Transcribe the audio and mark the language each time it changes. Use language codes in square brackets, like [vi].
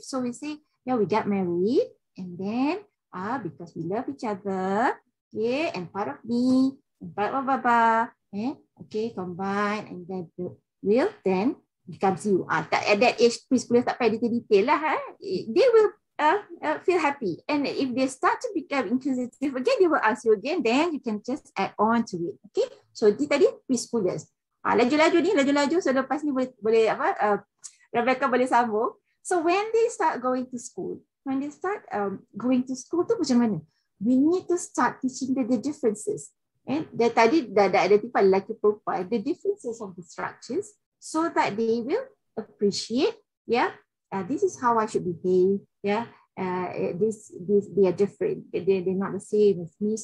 [en] So we say, we get married, and then because we love each other, and part of me, combine, and then we'll then becomes you. At that age, preschoolers [ms] tak payah detail lah. [en] They will feel happy. And if they start to become inquisitive again, they will ask you again, then you can just add on to it. [ms] Okay? So, di tadi preschoolers. Laju-laju ni, laju-laju. So, lepas ni boleh apa, Rebecca boleh sambung. [en] So, when they start going to school, [ms] tu macam mana? [en] We need to start teaching the differences. And the [ms] tadi dah identify lelaki perempuan, [en] the differences of the structures, so that they will appreciate, this is how I should behave, this they are different, they're not the same as me.